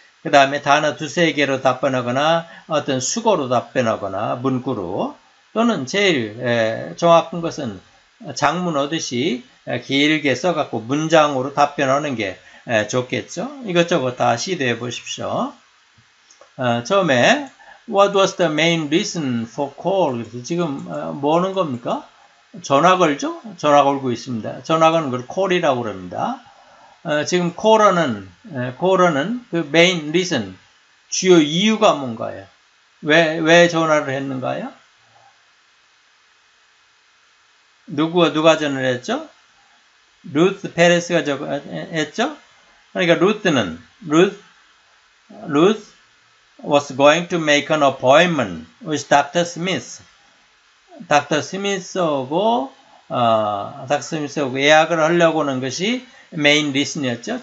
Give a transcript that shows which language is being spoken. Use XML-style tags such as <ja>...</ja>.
<ko>그 다음에 단어 두세 개로 답변하거나 어떤 수거로 답변하거나 문구로 또는 제일 정확한 것은 장문 얻듯이 길게 써갖고 문장으로 답변하는 게 좋겠죠. 이것저것 다 시도해 보십시오. 처음에</ko> <en>What was the main reason for call?</en> <ko>그래서 지금 뭐는 겁니까? 전화 걸죠? 전화 걸고 있습니다. 전화 거는 걸 콜이라고 그럽니다. 지금 콜어는, 콜어는 그 메인 리슨, 주요 이유가 뭔가요? 왜 전화를 했는가요? 누가 전화를 했죠? 루스 페레스가 했죠?</ko> <en>그러니까 루스 was going to make an appointment with Dr. Smith.</en> <ko>닥터 스미스하고 닥터 스미스하고 예약을 하려고 하는 것이 메인 리슨이었죠.</ko>